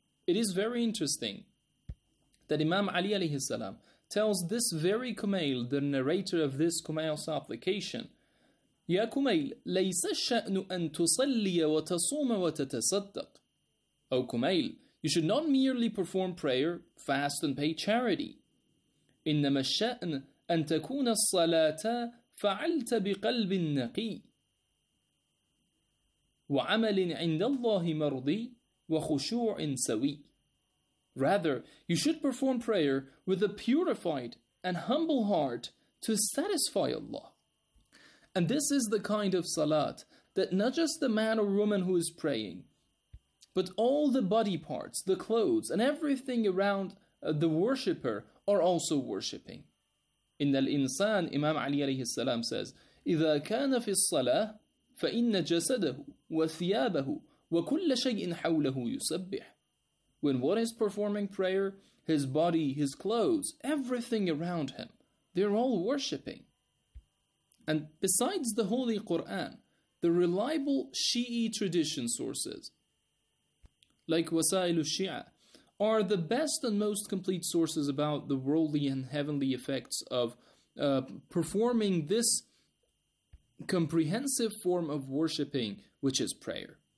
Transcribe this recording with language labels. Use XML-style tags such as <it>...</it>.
<en>It is very interesting that Imam Ali alayhi salam tells this very Kumail, the narrator of this Kumail's application,</en> <ar>Ya Kumail, laysa sha'nu an tusalliya wa tasuma wa tatasaddaq.</ar> <en>O Kumail, you should not merely perform prayer, fast and pay charity.</en> <ar>Innama sha'n أن تكون الصلاة فعلت بقلب نقي وعمل عند الله مرضي وخشوع سوي.</ar> <en>Rather, you should perform prayer with a purified and humble heart to satisfy Allah. And this is the kind of salat that not just the man or woman who is praying, but all the body parts, the clothes, and everything around the worshipper are also worshipping. In the insan, Imam Ali alayhi salam says,</en> <ar>إِذَا كَانَ فِي الصَّلَاةِ فَإِنَّ جَسَدَهُ وَثِيَابَهُ وَكُلَّ شَيْءٍ حَوْلَهُ يُسَبِّحُ.</ar> <en>When one is performing prayer, his body, his clothes, everything around him, they're all worshipping. And besides the Holy Quran, the reliable Shi'i tradition sources, like Wasailu Shia, are the best and most complete sources about the worldly and heavenly effects of performing this comprehensive form of worshipping, which is prayer.</en>